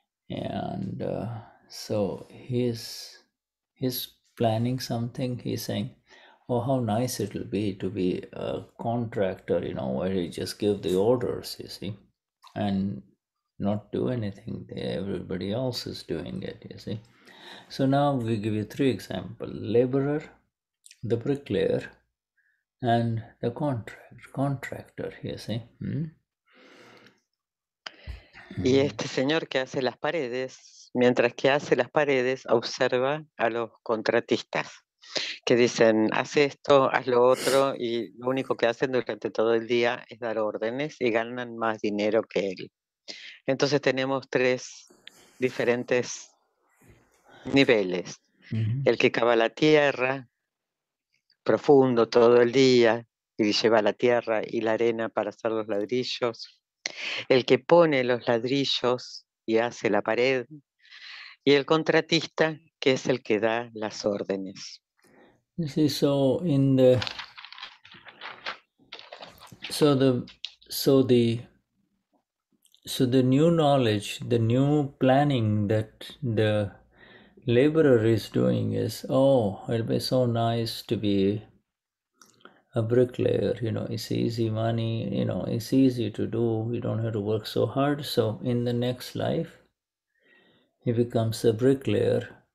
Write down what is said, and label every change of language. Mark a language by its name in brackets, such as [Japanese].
[English] And so he's planning something, he's saying, oh, how nice it'll be to be a contractor, you know, where you just give the orders, you see, and not do anything. Everybody else is doing it, you see. So now we give you three examples. Laborer, the bricklayer, and the contractor, you see. [Spanish] Y este señor que hace las paredes, mientras que hace las paredes, observa a los contratistas. Que dicen, haz esto, haz lo otro, y lo único que hacen durante todo el día es dar órdenes y ganan más dinero que él. Entonces tenemos tres diferentes niveles. Uh-huh. El que cava la tierra profundo todo el día y lleva la tierra y la arena para hacer los ladrillos. El que pone los ladrillos y hace la pared. Y el contratista, que es el que da las órdenes. [English] You see, so the new knowledge, the new planning that the laborer is doing is, oh, it'll be so nice to be a bricklayer, you know, it's easy money, you know, it's easy to do, we don't have to work so hard. So in the next life, he becomes a bricklayer